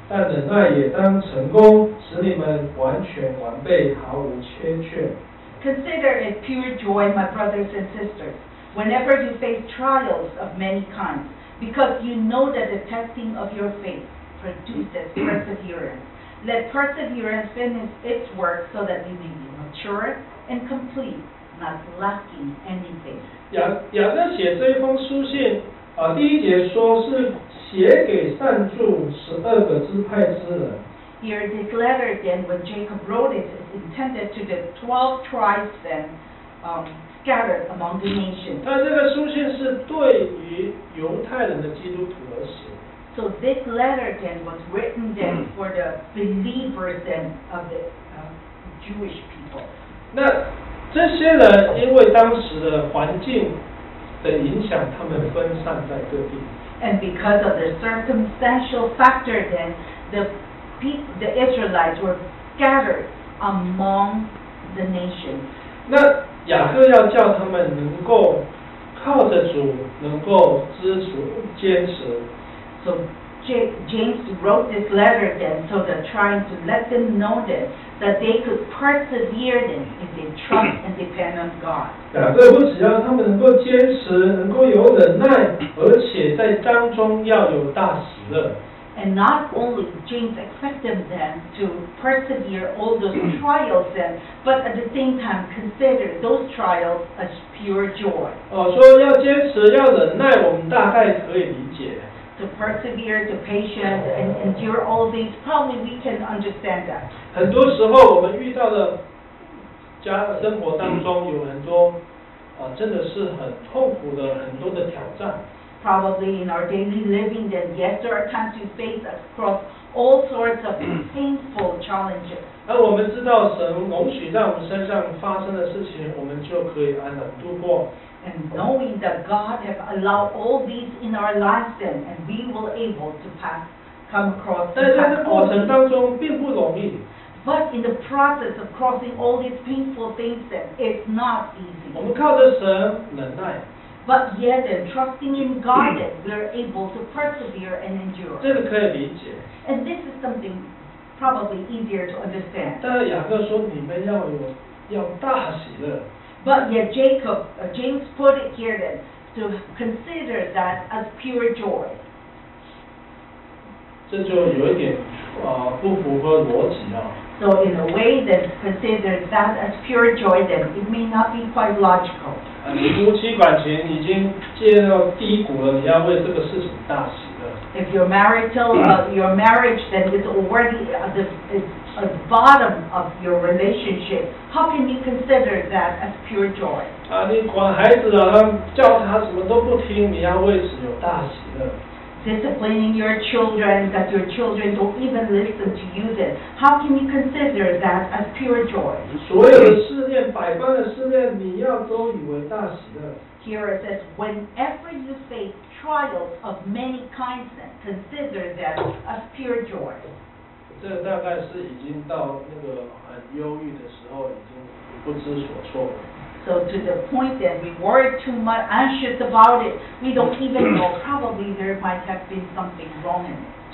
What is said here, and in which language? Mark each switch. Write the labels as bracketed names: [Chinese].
[Chinese] 但忍耐也当成功，使你们完全完备，毫无缺缺。 [English] Consider it pure joy, my brothers and sisters, whenever you face trials of many kinds, because you know that the testing of your faith produces perseverance. Let perseverance finish its work so that you may be mature and complete, not lacking anything. [Chinese] 亚各写这封书信，第一节说是写给善住十二个支派之人。 [English] Here this letter then, when Jacob wrote it, is intended to the 12 tribes then, scattered among the nations. [Chinese] 但这个书信是对于犹太人的基督徒而写。 [English] So this letter then was written then for the believers then of the Jewish people. [Chinese] 那这些人因为当时的环境的影响，他们分散在各地。 [English] And because of the circumstantial factor, then the Israelites were scattered among the nations. [Chinese] 那雅各要叫他们能够靠着主，能够知足坚持。 [English] So James wrote this letter then, so that trying to let them know this, that they could persevere then if they trust and depend on God. [Chinese] 雅各不只要他们能够坚持，能够有忍耐，而且在当中要有大喜乐。 [English] And not only James expected them to persevere all those trials then, but at the same time consider those trials as pure joy. [Chinese] 说要坚持，要忍耐，我们大概可以理解。 [English] To persevere, to patience, and endure all these, probably we can understand that. [Chinese] 很多时候我们遇到的家生活当中有很多真的是很痛苦的很多的挑战。 [English] Probably in our daily living, then yes, there are times we face across all sorts of painful challenges. [Chinese] 那我们知道神容许在我们身上发生的事情，我们就可以安然度过。 [English] And knowing that God has allowed all these in our lives then, and we will able to pass, come across the path. [Chinese] 但在这过程当中并不容易。 [English] But in the process of crossing all these painful things then, it's not easy. [Chinese] 我们靠着神忍耐。 [English] But yet, and trusting in God that we're able to persevere and endure. [Chinese] 这个可以理解。 [English] And this is something probably easier to understand. [Chinese] 但雅各说你们要大喜乐。 [English] But yet Jacob, James put it here then, to consider that as pure joy. [Chinese] 这就有一点不符合逻辑啊。 [English] So in a way that considers that as pure joy then, it may not be quite logical. [Chinese] 你夫妻感情已经进入低谷了，你要为这个事情大喜乐。 [English] If your marital, your marriage then is already at the bottom of your relationship, how can you consider that as pure joy? [Chinese] 你管孩子啊，叫他什么都不听，你要为此有大喜乐。 [English] Disciplining your children, that your children don't even listen to you then, how can you consider that as pure joy? [Chinese] 所有的试炼，百般的试炼，你要都以为大喜乐。 [English] Here it says, whenever you face trials of many kinds, then consider them as pure joy. [Chinese] 这大概是已经到那个很忧郁的时候，已经不知所措了。 [English] So to the point that we worry too much, anxious about it, we don't even know. Probably there might have been something wrong in it.